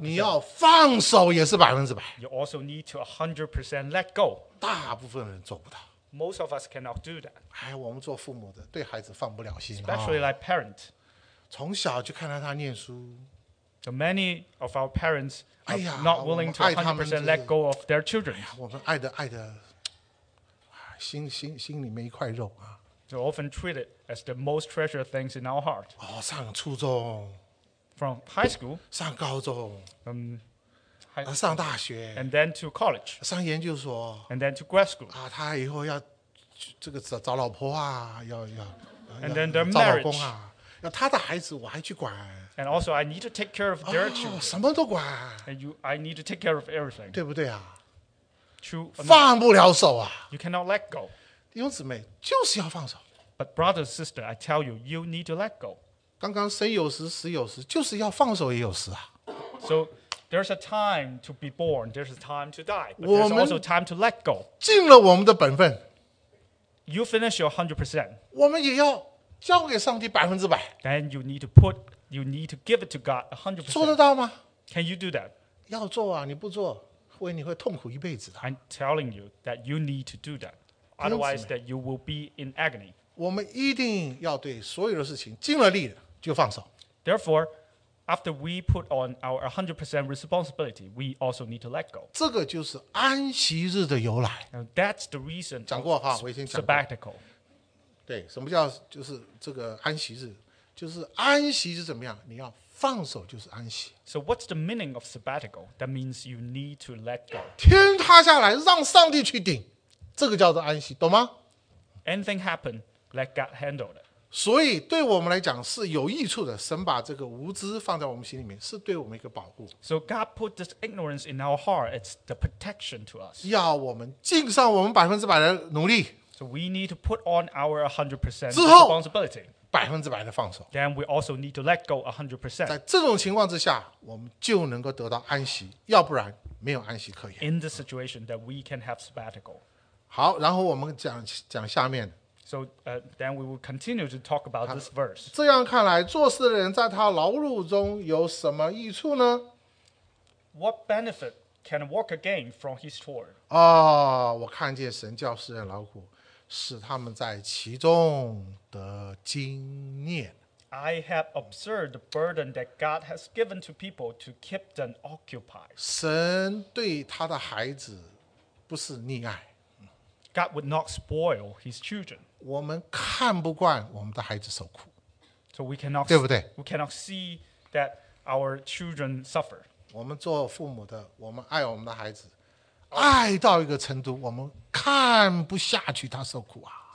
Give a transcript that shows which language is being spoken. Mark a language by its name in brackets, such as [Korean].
[Chinese] 你要放手也是百分之百。 [English] You also need to 100% let go. [Chinese] 大部分人做不到。 [English] Most of us cannot do that. [Chinese] 哎，我们做父母的对孩子放不了心。 [English] Especially like parent. [Chinese] 从小就看到他念书。 [English] So many of our parents are not willing to 100% let go of their children. [Chinese] 我们爱的爱的，心里面一块肉啊。 [English] They're often treated as the most treasured things in our heart. [Chinese] 哦，上初中。 [English] from high school. [Chinese] 上高中。 [English] High, [Chinese] 上大学。 [English] And then to college. [Chinese] 上研究所。 [English] And then to grad school. [Chinese] 啊，他以后要这个找老婆啊，要 [English] And then their [Chinese] 找老公啊，要他的孩子我还去管。 [English] And also, I need to take care of their children. [Chinese] 什么都管。 [English] And you, I need to take care of everything. [Chinese] 对不对啊？ [English] True. [Chinese] 放不了手啊。 [English] You cannot let go. [Chinese] 弟兄姊妹，就是要放手。 [English] But brother, sister, I tell you, you need to let go. [Chinese] 刚刚生有时，死有时，就是要放手也有时啊。 [English] So there's a time to be born, there's a time to die, but there's also time to let go. [Chinese] 尽了我们的本分。 [English] You finish your 100%. [Chinese] 我们也要交给上帝百分之百。 [English] Then you need to put, you need to give it to God 100%. [Chinese] 做得到吗？ [English] Can you do that? [Chinese] 要做啊，你不做，为你会痛苦一辈子的。 [English] I'm telling you that you need to do that. Otherwise, that you will be in agony. [Chinese] 我们一定要对所有的事情尽了力就放手。 [English] Therefore, after we put on our 100% responsibility, we also need to let go. [Chinese] 这个就是安息日的由来。 [English] That's the reason. [Chinese] 讲过哈，我已经讲过。 [English] Sabbatical. [Chinese] 对，什么叫就是这个安息日？就是安息是怎么样？你要放手就是安息。 [English] So what's the meaning of sabbatical? That means you need to let go. [Chinese] 天塌下来，让上帝去顶，这个叫做安息，懂吗？ [English] Anything happen, let God handle it. [Chinese] 所以对我们来讲是有益处的。神把这个无知放在我们心里面，是对我们一个保护。 [English] So God put this ignorance in our heart. It's the protection to us. [Chinese] 要我们尽上我们百分之百的努力。 [English] So we need to put on our 100% responsibility. [Chinese] 百分之百的放手。 [English] Then we also need to let go 100%. [Chinese] 在这种情况之下，我们就能够得到安息，要不然没有安息可言。 [English] In this situation that we can have sabbatical. [Chinese] 好，然后我们 讲下面。 [English] So, then we will continue to talk about this verse. [Chinese] 这样看来，做事的人在他劳碌中有什么益处呢？ [English] What benefit can a worker gain from his toil? [Chinese] 哦，我看见神叫世人劳苦，使他们在其中得经验。 [English] I have observed the burden that God has given to people to keep them occupied. [Chinese] 神对他的孩子不是溺爱。 [English] God would not spoil his children. [Chinese] 我们看不惯我们的孩子受苦。 [English] So we cannot, [Chinese] 对不对? [English] We cannot see that our children suffer. [Chinese] 我们做父母的，我们爱我们的孩子，爱到一个程度，我们看不下去他受苦啊。